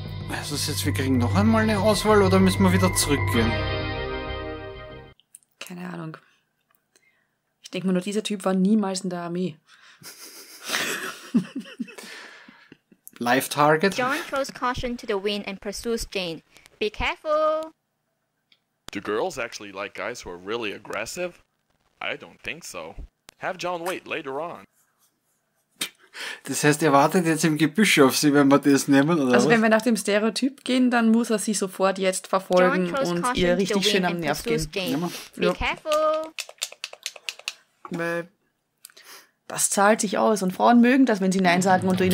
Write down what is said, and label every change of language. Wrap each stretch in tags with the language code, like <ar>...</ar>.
<de>Also, jetzt, wir kriegen noch einmal eine Auswahl oder müssen wir wieder zurückgehen? Keine Ahnung. Ich denke mir nur, dieser Typ war niemals in der Armee.</de> <en>Life target. John throws caution to the wind and pursues Jane. Be careful. Do girls actually like guys who are really aggressive? I don't think so. Have John wait later on.</en> <de>Das heißt, er wartet jetzt im Gebüsch auf sie, wenn wir das nehmen, oder also was? Wenn wir nach dem Stereotyp gehen, dann muss er sie sofort jetzt verfolgen und ihr richtig schön am Nerv gehen.</de> <en>Be careful.</en> <de>Weil das zahlt sich aus und Frauen mögen das, wenn sie Nein sagen und du ihnen</de>